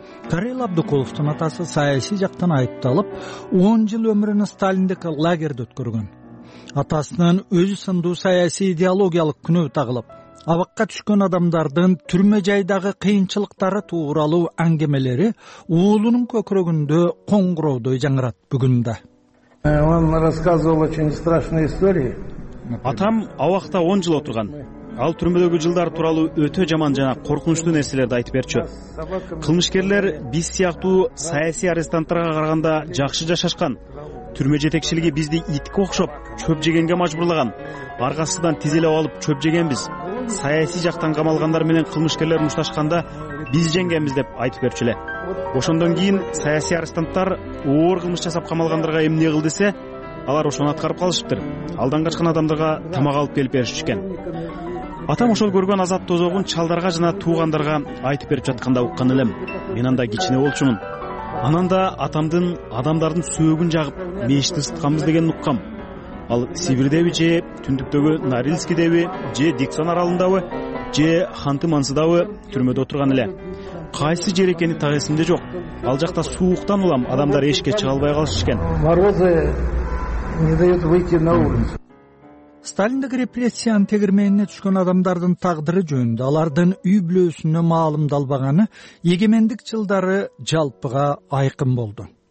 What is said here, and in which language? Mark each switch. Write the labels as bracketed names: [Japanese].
[Kyrgyz] Карел Абдыкуловдун атасы саясий жактан айыпталып, 10 жыл өмүрүн сталиндик лагерде өткөргөн. Атасынын өзү сындуу саясий идеологиялык күнөө тагылып, абакка түшкөн адамдардын түрмө жайдагы кыйынчылыктары тууралуу аңгемелери уулунун көкүрөгүндө коңгуроодой жаңырат бүгүндө. [Russian] Он рассказывал очень страшные истории. [Kyrgyz] Атам абакта 10 жыл отурган. Ал түрмөдөгү жылдар тууралуу өтө жаман жана коркунучтуу нерселерди айтып берчү. Кылмышкерлер биз сыяктуу саясий арестанттарга караганда жакшы жашашкан. Түрмө жетекчилиги бизди итке окшоп чөп жегенге мажбурлаган. Аргасыздан тиз эле алып чөп жегенбиз. Саясий жактан камалгандар менен кылмышкерлер мушташканда биз жеңгенбиз деп айтып берчү эле. Ошондон кийин саясий арестанттар оор кылмыш жасап камалгандарга эмне кыл десе, алар ошону аткарып калышыптыр. Алдан качкан адамдарга тамак алып келип беришчүкөн. Атам ошол көргөн азап тозогун чалдарга жана туугандарга айтып берип жатканда уккан элем. Мен анда кичине болчумун. Анан да атамдын адамдардын сөөгүн жагып мешти ысытканбыз дегенин уккам. Ал Сибирдеби же түндүктөгү Норильскидеби же Диксон аралындабы же Ханты-Мансыдабы түрмөдө отурган эле. Кайсы жер экени так эсимде жок. Ал жакта сууктан улам адамдар эшикке чыга албай калышышкан. [Russian] Морозы не дают выйти на улицу. [Kyrgyz] Сталиндик репрессиянын тегирмениине түшкөн адамдардын тагдыры жөнүндө алардын үй бүлөсүнө маалымдалбаганы эгемендик жылдары жалпыга айкын болду.